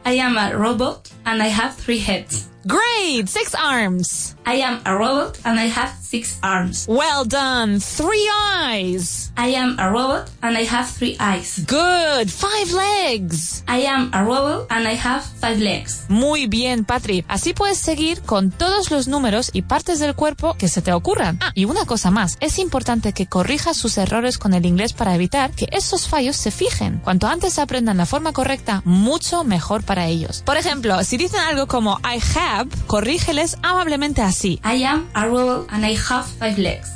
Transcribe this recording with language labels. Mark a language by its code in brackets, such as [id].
[en] I am a robot and I have 3 heads. Great! 6 arms. I am a robot and I have 6 arms. Well done! 3 eyes. I am a robot and I have 3 eyes. Good! 5 legs. I am a robot and I have 5 legs. [es] Muy bien, Patri. Así puedes seguir con todos los números y partes del cuerpo que se te ocurran. Ah, y una cosa más. Es importante que corrijas sus errores con el inglés para evitar que esos fallos se fijen. Cuanto antes aprendan la forma correcta, mucho mejor para ellos. Por ejemplo, si dicen algo como [en] I have, [es] corrígeles amablemente así. [en] I am a robot and I have 5 legs.